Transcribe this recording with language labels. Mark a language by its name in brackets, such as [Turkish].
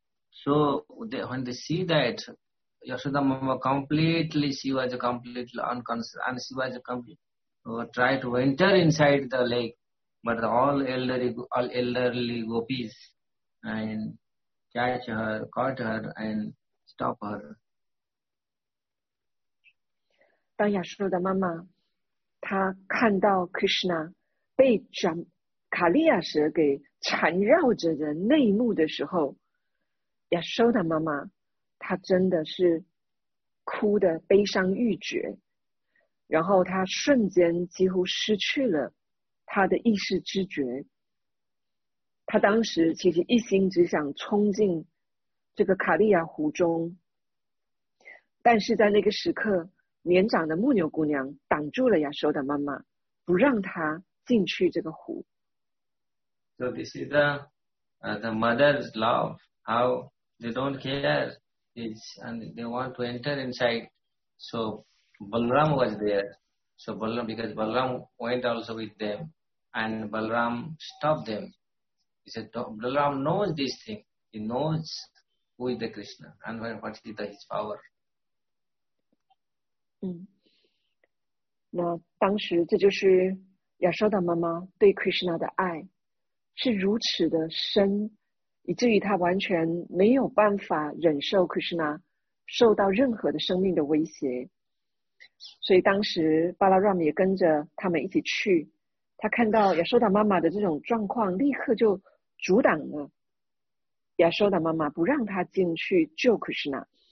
[English] So they, when they see that Yashoda Mama completely, she was completely unconscious, and she was trying to enter inside the lake, but all elderly gopis and catch her, caught her and stop her. [Chinese] 当亚瑟达妈妈, 她看到 Krishna 被 卡利亚蛇给缠绕着的内幕的时候, 亚瑟达妈妈, 她真的是哭得悲伤欲绝, 然后她瞬间几乎失去了她的意识知觉, 他当时其实一心只想冲进这个卡利亚湖中, 但是在那个时刻, 年长的牧牛姑娘挡住了亚瑟达妈妈, 不让她进去这个湖。 [English] So this is the mother's love, how they don't care, it's, and they want to enter inside. So Balram was there. So Balram, because Balram went also with them, and Balram stopped them. He said, Balram knows this thing. He knows who is the Krishna and what is the, his power. [Chinese] 那当时这就是亚瑟达妈妈对 Krishna 的爱是如此的深，以至于她完全没有办法忍受 Krishna 受到任何的生命的威胁。所以当时巴拉让也跟着他们一起去，他看到亚瑟达妈妈的这种状况，立刻就阻挡了亚瑟达妈妈，不让他进去救 Krishna。